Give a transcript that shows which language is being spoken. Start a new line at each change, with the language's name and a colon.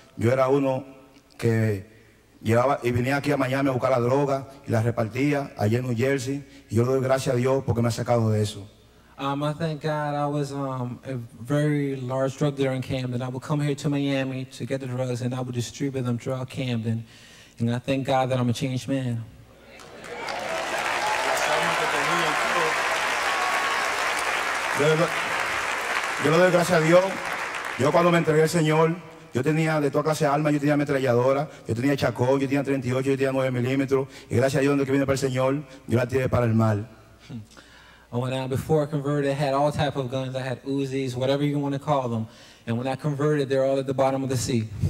Spanish: Yo era uno que llevaba y venía aquí a Miami a buscar la droga y la repartía allí en New Jersey. Y yo le doy gracias a Dios porque me ha sacado de eso.
English: I thank God I was a very large drug dealer in Camden. I would come here to Miami to get the drugs and I would distribute them throughout Camden. And I thank God that I'm a changed man.
Spanish: Yo le doy gracias a Dios. Yo cuando me entregué al Señor, yo tenía de toda clase de armas, yo tenía ametralladora, yo tenía chacón, yo tenía 38, yo tenía 9 milímetros. Y gracias a Dios, donde que vine para el Señor, yo la tiré para el mal.
English: And when I, before I converted, I had all type of guns. I had Uzis, whatever you want to call them. And when I converted, they're all at the bottom of the sea.